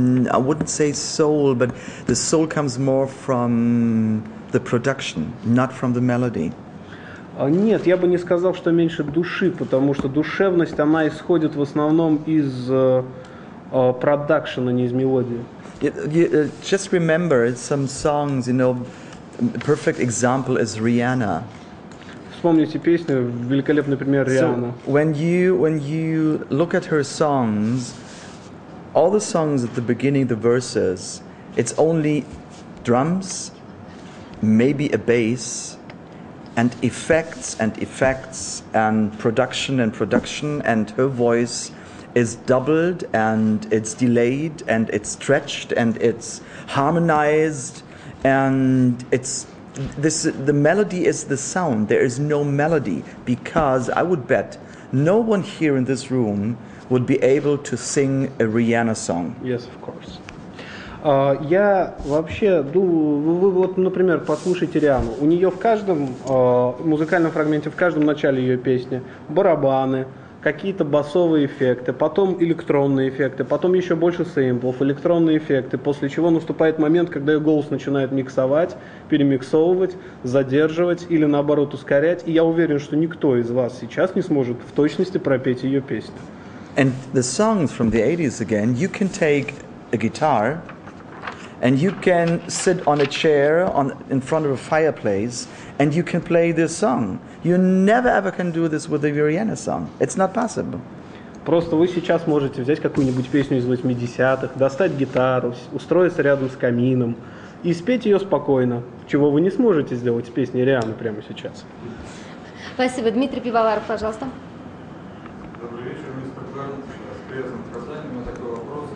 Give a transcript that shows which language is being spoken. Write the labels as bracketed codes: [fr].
[en] I wouldn't say soul, but the soul comes more from the production, not from the melody. [ru] Нет, я бы не сказал, что меньше души, потому что душевность она исходит в основном из продакшена, не из мелодии. [en] Just remember some songs, you know, a perfect example is Rihanna. [ru] Вспомните песню, великолепный пример Rihanna. [en] So when you look at her songs, all the songs at the beginning, the verses, it's only drums, maybe a bass, and effects, and production, and her voice is doubled, and it's delayed, and it's stretched, and it's harmonized, and it's this. The melody is the sound. There is no melody, because I would bet no one here in this room would be able to sing a Rihanna song. Yes, of course. [ru] Я вообще, вы вот, например, послушайте Риану. У нее в каждом музыкальном фрагменте, в каждом начале ее песни барабаны. Какие-то басовые эффекты, потом электронные эффекты, потом еще больше сэмплов, электронные эффекты, после чего наступает момент, когда ее голос начинает миксовать, перемиксовывать, задерживать или наоборот ускорять. И я уверен, что никто из вас сейчас не сможет в точности пропеть ее песню. [en] And the songs from the 80s again, you can take a guitar and you can sit on a chair in front of a fireplace and you can play this song. You never ever can do this with a Rihanna song. It's not possible. [ru] Просто вы сейчас можете взять какую-нибудь песню из 80-х, достать гитару, устроиться рядом с камином и спеть ее спокойно, чего вы не сможете сделать с песней Рианы прямо сейчас. Спасибо. Дмитрий Пивоваров, пожалуйста. Добрый вечер, мистер Гарнт. С приездом в Казань. У меня такой вопрос.